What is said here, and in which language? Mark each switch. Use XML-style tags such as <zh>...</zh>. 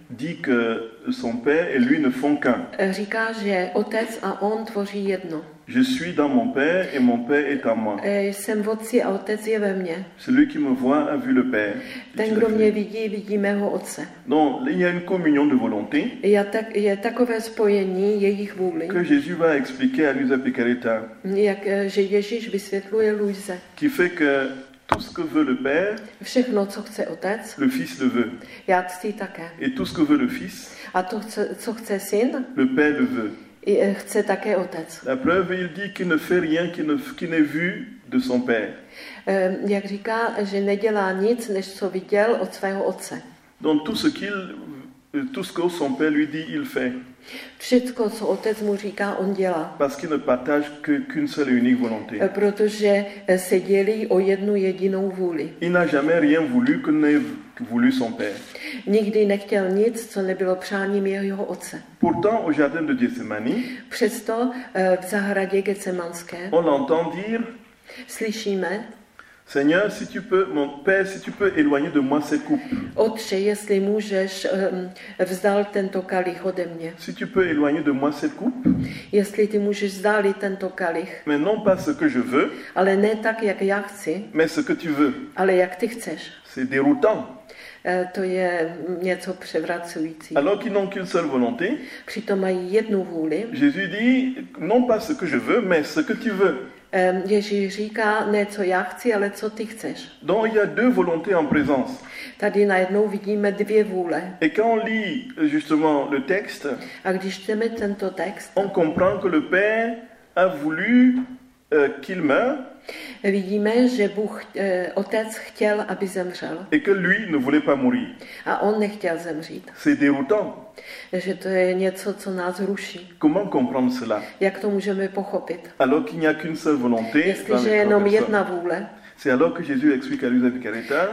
<fr>Dit que son père et lui ne font qu'un.</fr> <cs>Říká, že otec a on tvoří jedno.</cs> <fr>Je suis dans mon père et mon père est en moi.</fr> <cs>Jsem v otci a otec je ve mně.</cs> <fr>Celui qui me voit a vu le père.</fr> <cs>Ten, kdo mě vidí, vidí mého otce.</cs> <fr>Donc, il y a une communion de volonté.</fr> <cs>Je takové spojení jejich vůli.</cs> <fr>Que Jésus va expliquer à Luisa Picareta.</fr> <cs>Jak, že Ježíš vysvětluje Luise.</cs> <fr>Qui fait que tout ce que veut le père,</fr> <cs>všechno, co chce otec,</cs> <fr>le fils le veut.</fr> <cs>Já ctí také.</cs> <fr>Et tout ce que veut le fils,</fr> <cs>a to, co chce syn,</cs> <fr>le père le veut.</fr> <cs>I chce také otec.</cs> <fr>La preuve, il dit qu'il ne fait rien qui n'est vu de son père.</fr> <cs>Jak říká, že nedělá nic, než co viděl od svého otce.</cs> <fr>Donc tout ce que son père lui dit, il fait.</fr> <cs>Všechno, co otec mu říká, on dělá.</cs> <fr>Parce qu'il ne partage qu'une seule et unique volonté.</fr> <cs>Protože se dělí o jednu jedinou vůli.</cs> <fr>Il n'a jamais rien voulu que n'ait voulu son père.</fr> <cs>Nikdy nechtěl nic, co nebylo přáním jeho otce.</cs> <fr>Pourtant au jardin de Gethsemane.</fr> <cs>Přesto v zahradě Getsemanské.</cs> <fr>On entend dire.</fr> <cs>Slyšíme.</cs> <fr>Seigneur, si tu peux, mon père, si tu peux éloigner de moi cette coupe.</fr> <cs>Otče, jestli můžeš, vzdal tento kalich ode mě.</cs> <fr>Si tu peux éloigner de moi cette coupe.</fr> <cs>Jestli ty můžeš vzdálit tento kalich.</cs> <fr>Mais non pas ce que je veux.</fr> <cs>Ale ne tak, jak já chci.</cs> <fr>Mais ce que tu veux.</fr> <cs>Ale jak ty chceš.</cs> <fr>C'est déroutant.</fr> <cs>To je něco převracující.</cs> <fr>Alors qu'ils n'ont qu'une seule volonté.</fr> <cs>Přitom mají jednu vůli.</cs> <fr>Jésus dit, non pas ce que je veux, mais ce que tu veux.</fr> <cs>Ježíš říká, ne co já chci, ale co ty chceš.</cs> <fr>Donc il y a deux volontés en présence.</fr> <cs>Tady najednou vidíme dvě vůle.</cs> <fr>Et quand on lit justement le texte,</fr> <cs>a když čteme tento text,</cs> <fr>on comprend que le Père a voulu qu'il meure.</fr> <cs>Vidíme, že Bůh, otec chtěl, aby zemřel.</cs> <fr>Et que lui ne voulait pas mourir.</fr> <cs>A on nechtěl zemřít.</cs> <fr>C'est déroutant.</fr> <cs>Že to je něco, co nás ruší.</cs> <fr>Comment comprendre cela?</fr> <cs>Jak to můžeme pochopit?</cs> <fr>Alors qu'il n'y a qu'une seule volonté.</fr> <cs>Jestliže je jenom jedna vůle.</cs> <fr>C'est alors que Jésus explique à Luisa Picareta.</fr>